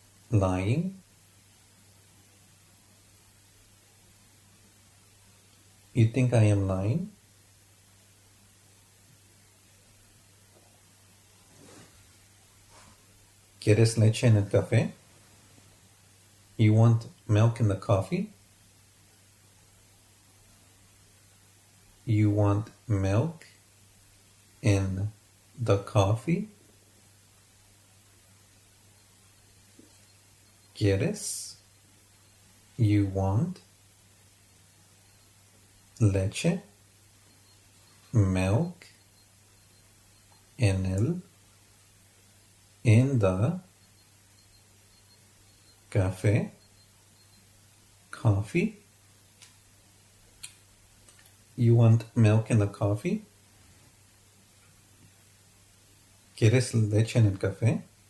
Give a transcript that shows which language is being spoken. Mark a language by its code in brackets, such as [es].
[en] Lying. You think I am lying? [es] ¿Quieres leche en el café? [en] You want milk in the coffee? You want milk in the coffee? [es] ¿Quieres? [en] You want [es] leche? [en] Milk [es] en el [en] in the café, coffee. You want milk in the coffee? [es] ¿Quieres leche en el café?